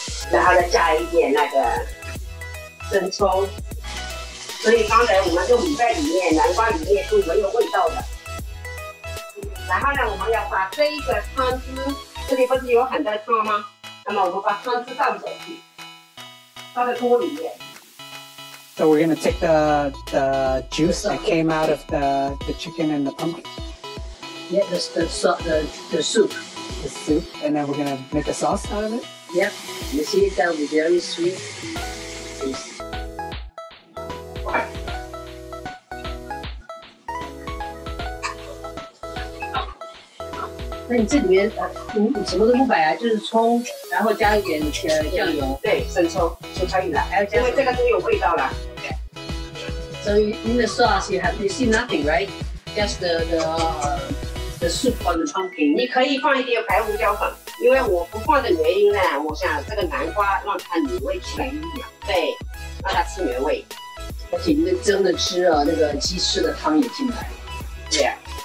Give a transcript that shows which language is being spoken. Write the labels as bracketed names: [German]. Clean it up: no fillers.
[Chinese] 然后再加一点那个生抽，所以刚才我们这米饭里面、南瓜里面是没有味道的。然后呢，我们要把这一个汤汁，这里不是有很多汤吗？那么我们把汤汁倒进去，放在锅里面。 [English] So we're going to take the juice that came out of the chicken and the pumpkin? Yeah, the soup. The soup, and then we're going to make a sauce out of it? Yep, you see it, that will be very sweet. Yes. [Chinese] 那你这里面，你什么都不摆啊？就是葱，然后加一点酱油，对，生抽就可以了。因为这个都有味道了。所以、okay. [English] So、in the sauce you see nothing, right? Just the soup on the pumpkin. [Chinese] 你可以放一点白胡椒粉，因为我不放的原因呢，我想这个南瓜让它美味起来一点，对，让它吃原味。而且那个蒸的汁啊，那个鸡翅的汤也进来了，对、yeah.。